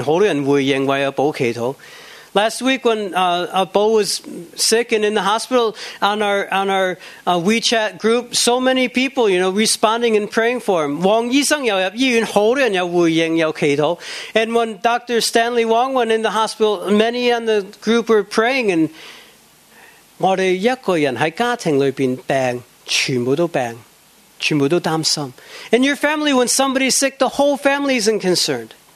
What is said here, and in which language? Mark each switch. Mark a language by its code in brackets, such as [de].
[zh] 上個星期聽到阿寶又入醫院,全教會在群組裡面,很多人回應為阿寶祈禱。 [en] Last week when Bo was sick and in the hospital, on our WeChat group, so many people, you know, responding and praying for him. [zh] 王醫生又入醫院,很多人又回應,又祈禱。 [en] And when Dr. Stanley Wong went in the hospital, many on the group were praying. [zh] And 我們一個人在家庭裡面病,全部都擔心。 [en] In your family, when somebody's sick, the whole family isn't concerned.